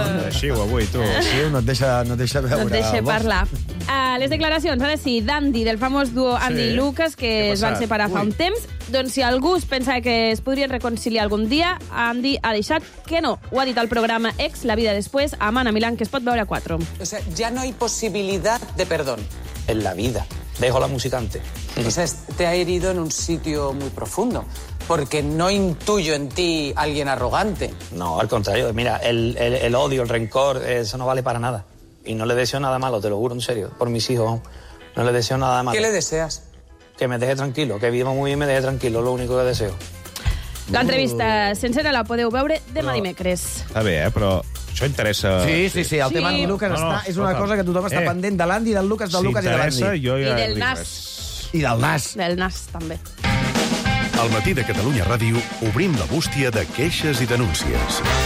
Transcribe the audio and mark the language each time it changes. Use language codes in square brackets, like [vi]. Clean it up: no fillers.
[ca] Així ho avui, tu. Sí, no et deixa veure. No et deixa parlar. Les declaracions, ara sí, d'Andy, del famós duo Andy i Lucas, que es van separar fa un temps, Doncs si algú es pensa que es podrien reconciliar algun dia, Andy ha deixat que no. Ho ha dit al programa Ex, La vida después, amb Anna Milán, que es pot veure a 4. [es] O sea, ya no hay posibilidad de perdón en la vida. Dejo la musicante. Quizás te ha herido en un sitio muy profundo, porque no intuyo en ti alguien arrogante. No, al contrario. Mira, el odio, el rencor, eso no vale para nada. Y no le deseo nada malo, te lo juro, en serio. Por mis hijos, no le deseo nada malo. ¿Qué le deseas? Que me deje tranquilo, que viva muy bien y me deje tranquilo, lo único que deseo. [ca] L'entrevista sencera la podeu veure demà dimecres. Està bé, però això interessa... Sí, sí, sí, el sí. Tema del Lucas no, no, està, és una no, cosa que tothom està pendent de l'Andy, del Lucas, del Lucas i de l'Andy. S'interessa, jo ja... I del Nas. I del Nas. Del Nas, també. Al matí de Catalunya Ràdio obrim la bústia de queixes i denúncies.